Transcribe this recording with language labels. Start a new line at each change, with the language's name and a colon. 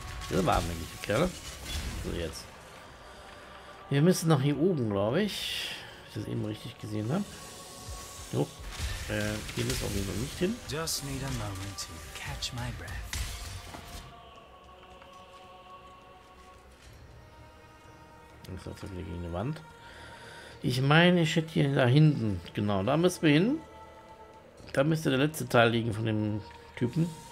German: Das war eigentlich die Kerle. So, jetzt. Wir müssen nach hier oben, glaube ich. Wenn ich das eben richtig gesehen habe. So. Hier müssen wir auch nicht hin.
English: Just need a moment to catch my breath.
German: Das ist tatsächlich gegen die Wand. Ich meine, ich hätte hier da hinten. Genau, da müssen wir hin. Da müsste der letzte Teil liegen von dem Typen.